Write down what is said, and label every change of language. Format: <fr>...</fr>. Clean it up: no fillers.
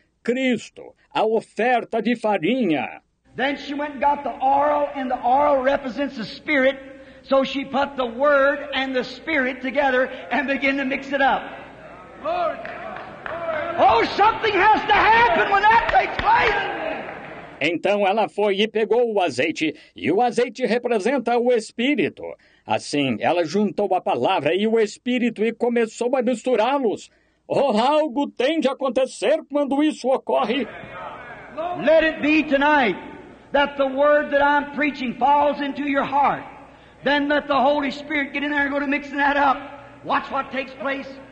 <pt>Cristo, a oferta de farinha.</pt> <en>Then she went and got the oil, and the oil represents the Spirit. So she put the Word and the Spirit together and began to mix it up. Oh, something has to happen when that takes place.</en> <pt>Então ela foi e pegou o azeite, e o azeite representa o Espírito. Assim, ela juntou a palavra e o Espírito e começou a misturá-los. Oh, algo tem de acontecer quando isso ocorre.</pt> <en>Let it be tonight that the word that I'm preaching falls into your heart. Then let the Holy Spirit get in there and go to mixing that up. Watch what takes place.</en>